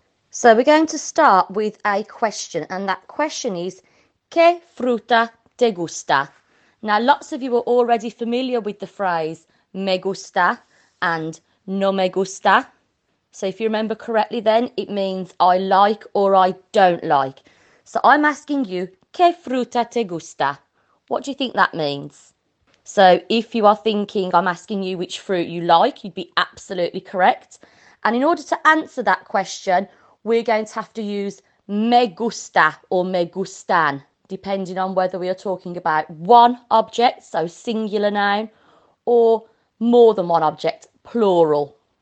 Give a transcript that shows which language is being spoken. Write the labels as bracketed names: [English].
[English] So we're going to start with a question, and that question is [Spanish] ¿qué fruta te gusta? [English] Now lots of you are already familiar with the phrase me gusta and no me gusta. So if you remember correctly, then it means I like or I don't like. So I'm asking you [Spanish] ¿qué fruta te gusta? [English] What do you think that means? So if you are thinking I'm asking you which fruit you like, you'd be absolutely correct. And in order to answer that question, we're going to have to use me gusta or me gustan, depending on whether we are talking about one object, so singular noun, or more than one object, plural.